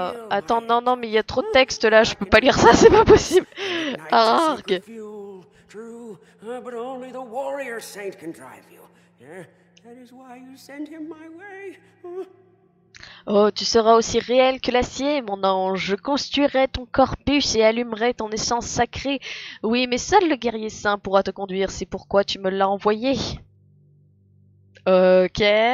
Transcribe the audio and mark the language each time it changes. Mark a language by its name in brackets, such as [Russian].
[French] Attends, non, non, mais il y a trop de texte là, je peux pas lire ça, c'est pas possible! [English] Argue! True, but only the warrior saint can drive you. Yeah, that is why you send him my way. [French] Oh, tu seras aussi réel que l'acier, mon ange. Je construirai ton corpus et allumerai ton essence sacrée. Oui, mais seul le guerrier saint pourra te conduire. C'est pourquoi tu me l'as envoyé. Ok.